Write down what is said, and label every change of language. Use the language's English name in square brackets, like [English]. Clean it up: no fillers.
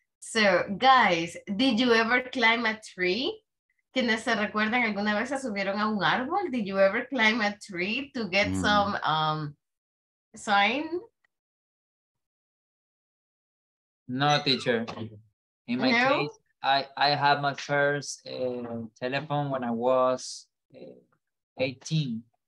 [English] So, guys, did you ever climb a tree? [Spanish] ¿Quiénes se recuerdan alguna vez se subieron a un árbol? [English] Did you ever climb a tree to get some sign? No, teacher. In my case, I had my first telephone when I was 18.